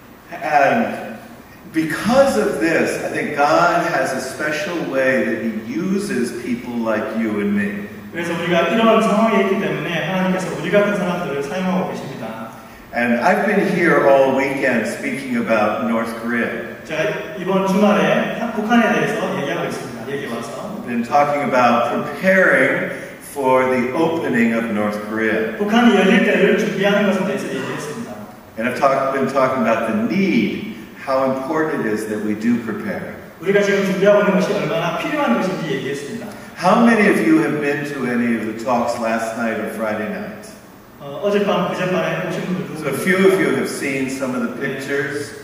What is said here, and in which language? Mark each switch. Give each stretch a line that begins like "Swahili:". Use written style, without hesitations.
English: And because of this, I think God has a special way that He uses people like you and me.
Korean: 그래서 우리가 이런 상황에 있기 때문에 하나님께서 우리 같은 사람들을 사용하고 계십니다.
English: And I've been here all weekend speaking about North Korea.
Korean: 제가 이번 주말에 북한에 대해서 얘기하고 있습니다. 여기 와서.
English: Been talking about preparing for the opening of North Korea.
Korean: 북한이 열릴 때를 준비하는 것에 대해서 얘기했습니다.
English: And I've been talking about the need, how important it is that we do prepare.
Korean: 우리가 지금 준비하고 있는 것이 얼마나 필요한 것인지 얘기했습니다.
English: How many of you have been to any of the talks last night or Friday night? So a few of you have seen some of the pictures